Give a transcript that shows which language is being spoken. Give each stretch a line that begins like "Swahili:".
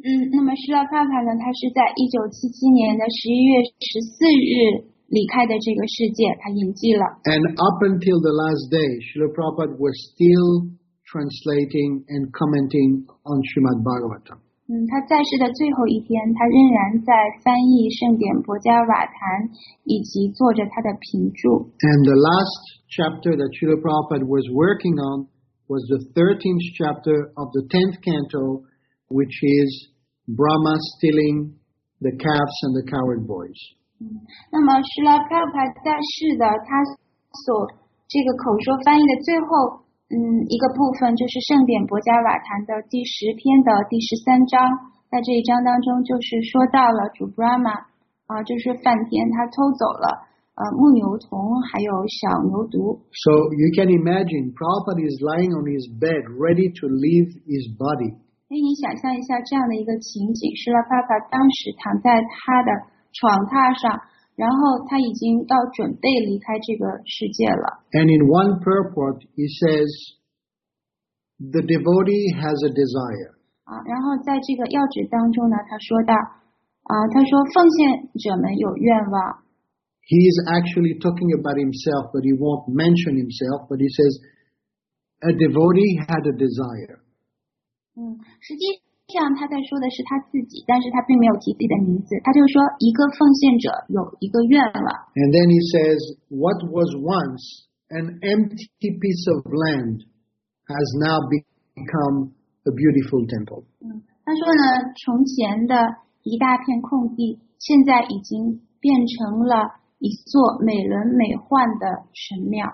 Chinese: 那么 Srila Prabhupada 呢，他是在1977年的11月14日离开的这个世界，他隐寂了。
English: And up until the last day, Srila Prabhupada was still translating and commenting on Srimad Bhagavatam.
Chinese: 他在世的最后一天，他仍然在翻译圣典博迦瓦坛，以及做着他的评注。
English: And the last chapter that Srila Prabhupada was working onwas the 13th chapter of the 10th canto, which is Brahma stealing the calves and the cowherd boys.
Chinese: 那么 Srila Prabhupada 在世的他所这个口说翻译的最后一个部分就是圣典博迦瓦坛的第十篇的第十三章，在这一章当中就是说到了主 Brahma, 就是梵天他偷走了牧牛童还有小牛犊。
English: So you can imagine, Prabhupada is lying on his bed, ready to leave his body.
Chinese: 可以想象一下这样的一个情景，是了，爸爸当时躺在他的床榻上，然后他已经到准备离开这个世界了。
English: And in one purport, he says, the devotee has a desire.
Chinese: 然后在这个要旨当中呢，他说到，他说奉献者们有愿望。
English: He is actually talking about himself, but he won't mention himself, but he says, a devotee had a desire.
Chinese: 实际上他在说的是他自己，但是他并没有提自己的名字，他就说一个奉献者有一个愿望。
English: And then he says, what was once an empty piece of land has now become a beautiful temple.
Chinese: 他说呢，从前的一大片空地现在已经变成了一座美轮美奂的神庙。